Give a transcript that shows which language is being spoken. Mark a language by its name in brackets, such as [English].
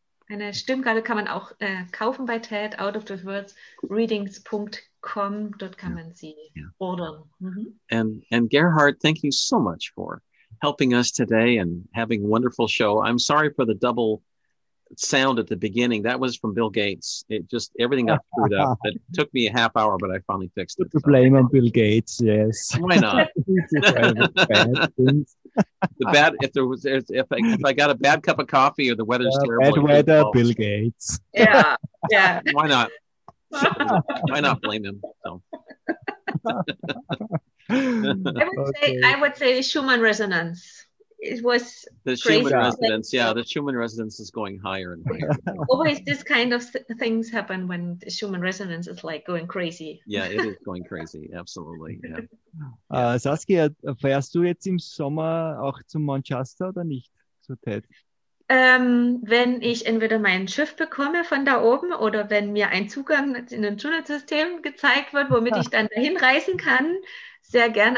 [German] Eine Stimmgabel kann man auch kaufen bei TED, outofthewordsreadings.com, dort kann man sie ordern. Mm-hmm. [English] And Gerhard, thank you so much for helping us today and having a wonderful show. I'm sorry for the double sound at the beginning. That was from Bill Gates. It just, everything got screwed up. It took me a half hour, but I finally fixed it. To blame on Bill Gates, yes. Why not? The bad, if there was, if I got a bad cup of coffee or the weather's terrible. Bad weather, Bill Gates. Yeah. Why not? Why not blame him? So. I would say the Schumann resonance. It was the crazy. Schumann resonance. Yeah, the Schumann resonance is going higher and higher. Always this kind of things happen when the Schumann resonance is like going crazy. Yeah, it is going crazy. Absolutely. Yeah. [German] Saskia, feierst du jetzt im Sommer auch zum Manchester oder nicht zu TED? Wenn ich entweder mein Schiff bekomme von da oben oder wenn mir ein Zugang in ein Tunnelsystem gezeigt wird, womit ich dann dahin reisen kann, sehr gern.